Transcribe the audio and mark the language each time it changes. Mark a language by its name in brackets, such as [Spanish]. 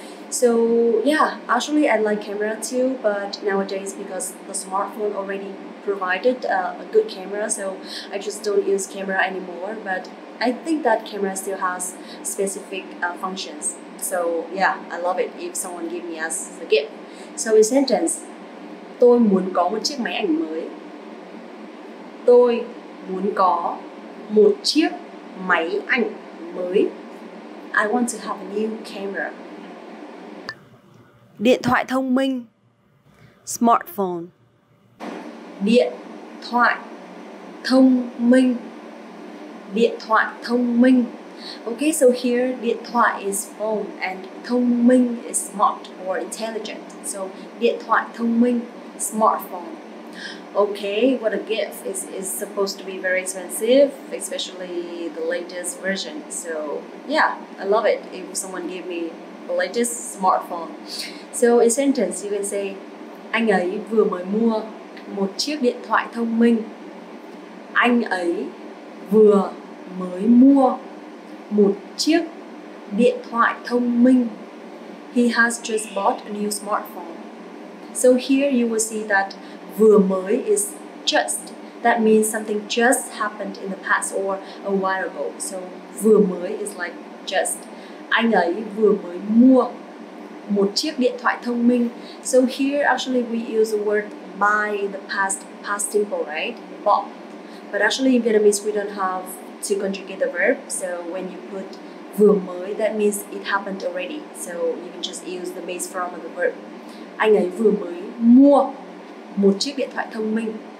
[English] So yeah, actually I like camera too, but nowadays because the smartphone already provided a good camera, so I just don't use camera anymore. But I think that camera still has specific functions. So yeah, I love it if someone give me as a gift. So in sentence, [Vietnamese] tôi muốn có một chiếc máy ảnh mới. Tôi muốn có một chiếc máy ảnh mới. [English] I want to have a new camera. [Vietnamese] Điện thoại thông minh. [English] Smartphone. [Vietnamese] Điện thoại thông minh. Điện thoại thông minh. [English] Okay, so here điện thoại is phone and thông minh is smart or intelligent. [Vietnamese] So điện thoại thông minh, smartphone. [English] Okay, what a gift. It's supposed to be very expensive, especially the latest version. So yeah, I love it if someone gave me the latest smartphone. So in sentence, you can say, [Vietnamese] anh ấy vừa mới mua một chiếc điện thoại thông minh. Anh ấy vừa mới mua một chiếc điện thoại thông minh. [English] He has just bought a new smartphone. So here you will see that vừa mới is just. That means something just happened in the past or a while ago. So vừa mới is like just. [Vietnamese] Anh ấy vừa mới mua một chiếc điện thoại thông minh. [English] So here actually we use the word buy in the past simple, right? Bought. But actually in Vietnamese we don't have to conjugate the verb. So when you put vừa mới, that means it happened already. So you can just use the base form of the verb. [Vietnamese] Anh ấy vừa mới mua một chiếc điện thoại thông minh.